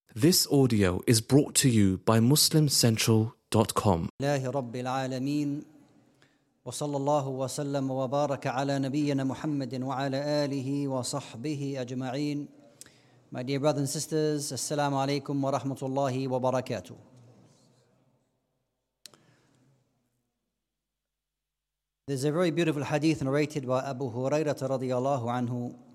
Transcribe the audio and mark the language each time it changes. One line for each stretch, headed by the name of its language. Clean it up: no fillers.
English: This audio is brought to you by MuslimCentral.com.
Arabic: لله رب العالمين وصلى الله وسلم وبارك على نبينا محمد وعلى آله وصحبه أجمعين.
English: My dear brothers and sisters,
Arabic: السلام عليكم ورحمة الله وبركاته.
English: There's a very beautiful hadith narrated by Abu Hurairah رضي الله عنه.